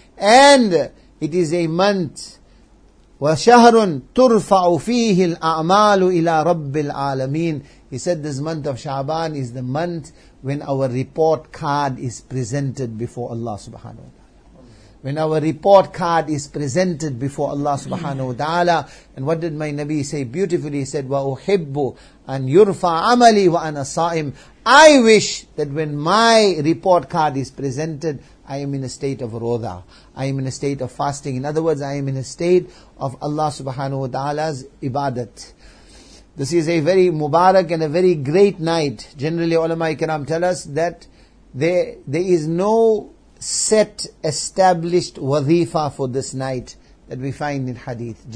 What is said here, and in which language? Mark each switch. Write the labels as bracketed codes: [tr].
[en] And it is a month. [ar] وَشَهْرٌ تُرْفَعُ فِيهِ الْأَعْمَالُ إِلَى رَبِّ الْعَالَمِينَ. [en] He said this month of Sha'ban is the month when our report card is presented before Allah subhanahu wa ta'ala. When our report card is presented before Allah subhanahu wa ta'ala. And what did my Nabi say beautifully? He said, [ar] وَأُحِبُّ أَنْ يُرْفَعَ عَمَلِي وَأَنَا صَائِمٌ. [en] I wish that when my report card is presented, I am in a state of rodha. I am in a state of fasting. In other words, I am in a state of Allah subhanahu wa ta'ala's ibadat. This is a very mubarak and a very great night. Generally, ulama-i-kiram tell us that there is no set established wazifa for this night that we find in hadith.